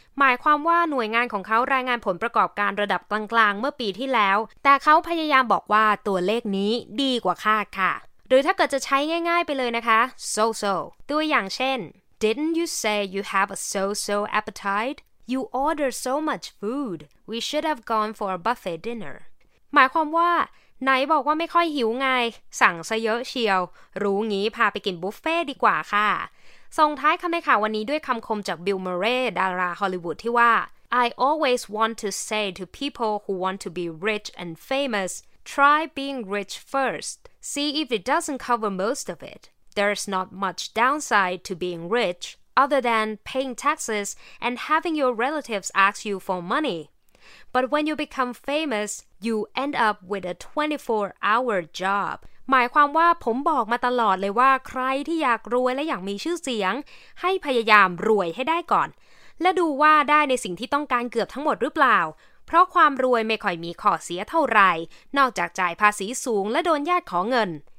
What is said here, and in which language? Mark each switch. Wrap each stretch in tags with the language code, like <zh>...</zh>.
<th>หมายความว่าหน่วยงานของเขารายงานผลประกอบการระดับกลางๆเมื่อปีที่แล้วแต่เขาพยายามบอกว่าตัวเลขนี้ดีกว่าคาดค่ะ หรือถ้าเกิดจะใช้ง่ายๆไปเลยนะคะ so-so ตัวอย่างเช่น</th> <en>Didn't you say you have a so-so appetite? You order so much food. We should have gone for a buffet dinner</en> <th>หมายความว่าไหนบอกว่าไม่ค่อยหิวไงสั่งซะเยอะเชียวรู้งี้พาไปกินบุฟเฟ่ดีกว่าค่ะส่งท้ายคำในข่าววันนี้ด้วยคำคมจากบิลมาเรย์ดาราฮอลลีวูดที่ว่า</th> <en>I always want to say to people who want to be rich and famous try being rich first see if it doesn't cover most of it there's not much downside to being rich other than paying taxes and having your relatives ask you for moneyBut when you become famous, you end up with a 24-hour job.</en> <th>หมายความว่าผมบอกมาตลอดเลยว่าใครที่อยากรวยและอยากมีชื่อเสียงให้พยายามรวยให้ได้ก่อนและดูว่าได้ในสิ่งที่ต้องการเกือบทั้งหมดหรือเปล่าเพราะความรวยไม่ค่อยมีข้อเสียเท่าไหร่นอกจากจ่ายภาษีสูงและโดนญาติขอเงิน</th>